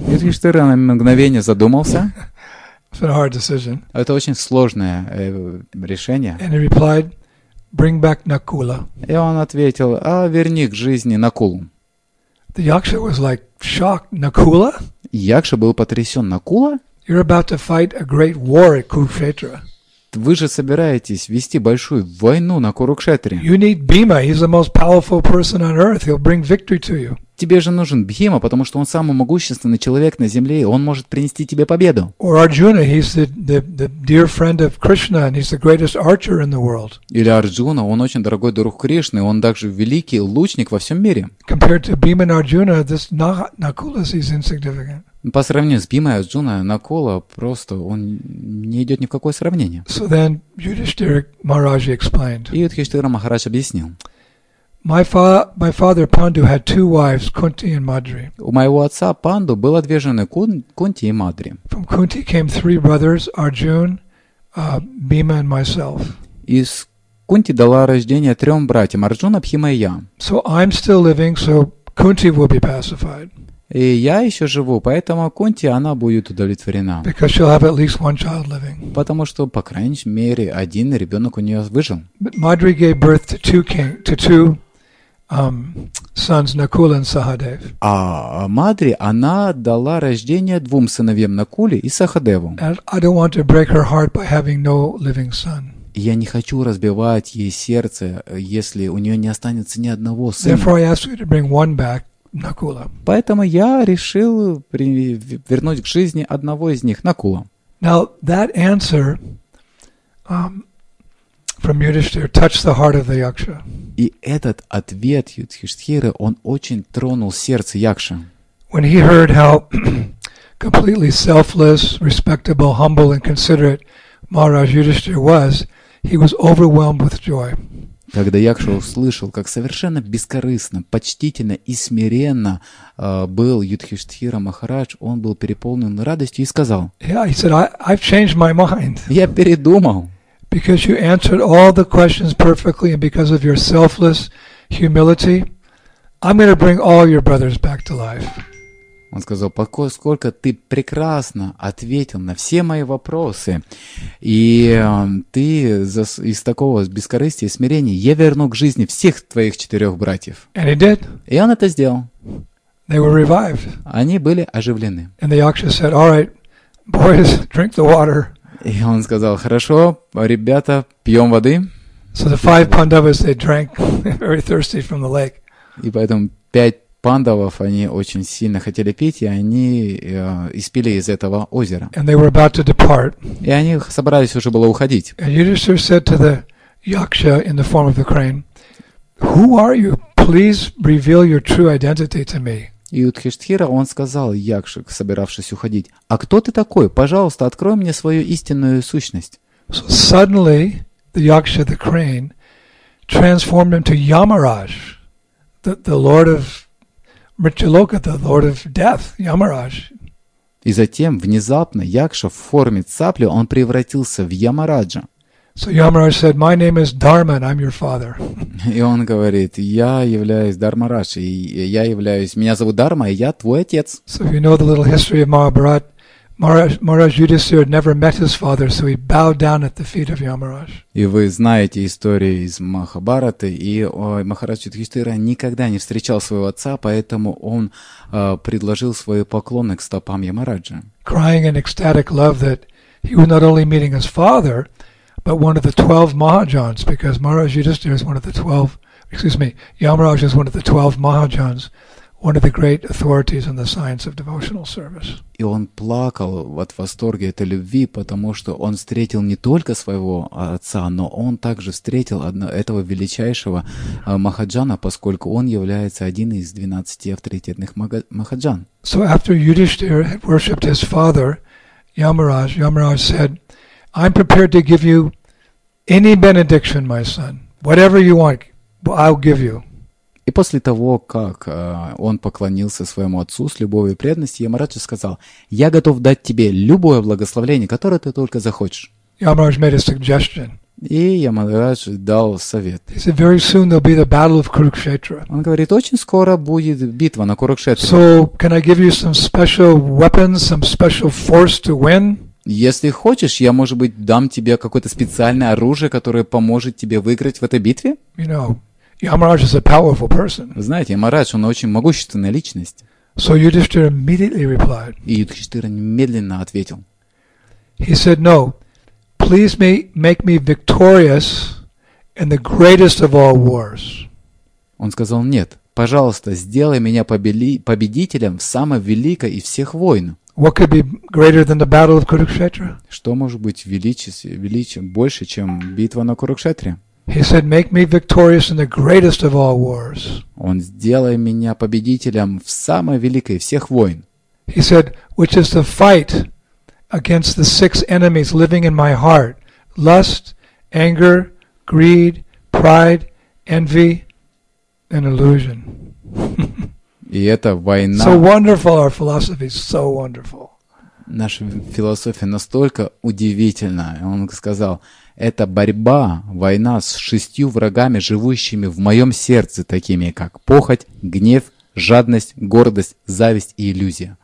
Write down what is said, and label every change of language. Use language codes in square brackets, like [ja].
[ru] Юдхиштхира на мгновение задумался. [en] It's a hard decision. [ru] Это очень сложное решение. [en] And he replied, "Bring back Nakula." [ru] И он ответил: "А верни к жизни Накулу." [en] The Yaksha was like shocked. Nakula? [ru] Якша был потрясен. Накула? [en] You're about to fight a great war at Kurukshetra. [ru] Вы же собираетесь вести большую войну на Курукшетре. [en] You need Bhima. He's the most powerful person on earth. He'll bring victory to you. [ru] Тебе же нужен Бхима, потому что он самый могущественный человек на земле, и он может принести тебе победу. [en] Or Arjuna, he's the dear friend of Krishna, and he's the greatest archer in the world. [ru] Или Арджуна, он очень дорогой друг Кришны, он также великий лучник во всем мире. [en] Compared to Bhima and Arjuna, this Nakula is insignificant. [ru] По сравнению с Бхимой, Арджуной, Накула просто он не идет ни в какое сравнение. [en] So then Yudhishthira Maharaj explained. [ru] И Юдхиштхира Махарадж объяснил. [en] My father Pandu had two wives, Kunti and Madri. [ru] У моего отца Панду было две жены, Кунти и Мадри. [en] From Kunti came three brothers, Arjun, Bhima and myself. [ru] Из Кунти дала рождение трем братьям: Арджуна, Бхима и я. [en] So I'm still living, so Kunti will be pacified. [ru] И я еще живу, поэтому Кунти, она будет удовлетворена. [en] Because she'll have at least one child living. [ru] Потому что, по крайней мере, один ребенок у нее выжил. [en] But Madri gave birth to two sons, Nakula and Sahadev. [ru] А Мадри, она дала рождение двум сыновьям, Накуле и Сахадеву. [en] And I don't want to break her heart by having no living son. [ru] Я не хочу разбивать ей сердце, если у нее не останется ни одного сына. [en] Therefore, I ask you to bring one back. Nakula. [ru] Поэтому я решил вернуть к жизни одного из них, Накула. [en] Now that answer from Yudhishthira touched the heart of the Yaksha. [ru] И этот ответ Юдхиштхиры, он очень тронул сердце Якши. [en] When he heard how completely selfless, respectable, humble, and considerate Maharaj Yudhishthira was, he was overwhelmed with joy. [ru] Когда Якша услышал, как совершенно бескорыстно, почтительно и смиренно был Юдхиштхира Махарадж, он был переполнен радостью и сказал: «Я передумал». [en] Because you answered all the questions perfectly and because of your selfless humility, I'm going to bring all your brothers back to life. [ru] Он сказал: «Поскольку ты прекрасно ответил на все мои вопросы, и ты из такого бескорыстия и смирения, я верну к жизни всех твоих четырех братьев». [en] And he did. [ru] И он это сделал. [en] They were revived. [ru] Они были оживлены. [en] And the Yaksha said, all right, boys, drink the water. [ru] И он сказал: «Хорошо, ребята, пьем воды». [en] So the five pandavas, they drank very thirsty from the lake. [ru] И поэтому пять пандавов, они очень сильно хотели пить, и они испили из этого озера. [en] And they were about to depart. [ru] И они собрались уже было уходить. [en] And Yudhishthira said to the Yaksha in the form of the crane, who are you? Please reveal your true identity to me. [ru] И Юдхиштхира, он сказал Якше, собиравшись уходить: «А кто ты такой? Пожалуйста, открой мне свою истинную сущность». [en] Suddenly, the Yaksha, the crane, transformed into Yamaraj, the lord of Mrityaloka, the lord of death, Yamaraj. [ru] И затем, внезапно, Якша в форме цапли, он превратился в Ямараджа. [en] So Yamaraj said, my name is Dharman, I'm your father. [ru] И он говорит: я являюсь Дармарадж, и я являюсь, меня зовут Дарма, и я твой отец. [en] So if you know the little history of Mahabharat, Maharaj Yudhisthira never met his father, so he bowed down at the feet of Yamaraj. [ru] И вы знаете историю из Махабараты, и Махарадж Юдхиштхира никогда не встречал своего отца, поэтому он предложил свои поклоны к стопам Ямараджа. [en] Crying in ecstatic love that he was not only meeting his father, but one of the 12 Mahajans, because Maharaj Yudhisthira is one of the 12, Yamaraj is one of the 12 Mahajans, one of the great authorities in the science of devotional service. [ru] И он плакал от восторга этой любви, потому что он встретил не только своего отца, но он также встретил этого величайшего Махаджана, поскольку он является один из 12 авторитетных Махаджан. [en] So after Yudhisthira had worshipped his father, Yamaraj said, I'm prepared to give you any benediction, my son. Whatever you want, I'll give you. [ru] И после того, как он поклонился своему отцу с любовью и преданностью, Ямарадж сказал: я готов дать тебе любое благословение, которое ты только захочешь. [en] Ямарадж made a suggestion. [ru] И Ямарадж дал совет. [en] He said, very soon there'll be the battle of Kurukshetra. [ru] Он говорит: очень скоро будет битва на Курукшетре. [en] So, can I give you some special weapons, some special force to win? [ru] Если хочешь, я, может быть, дам тебе какое-то специальное оружие, которое поможет тебе выиграть в этой битве. [en] You know, Yamaraj is a powerful person. [ru] Вы знаете, Ямарадж, он очень могущественная личность. [en] So Yudhishthira immediately replied. [ru] И Юдхиштхира немедленно ответил. [en] He said, no, please make me victorious in the greatest of all wars. [ru] Он сказал: нет, пожалуйста, сделай меня победителем в самой великой из всех войн. [en] What could be greater than the battle of Kurukshetra? [ru] Что может быть величием больше, чем битва на Курукшетре? [en] He said, "Make me victorious in the greatest of all wars." [ru] Он сделай меня победителем в самой великой всех войн. [en] He said, "Which is the fight against the six enemies living in my heart: lust, anger, greed, pride, envy, and illusion." [ru] И это война. [en] So wonderful, our philosophy is so wonderful. [ru] Наша философия настолько удивительна. Он сказал: это борьба, война с шестью врагами, живущими в моем сердце, такими как похоть, гнев, жадность, гордость, зависть и иллюзия.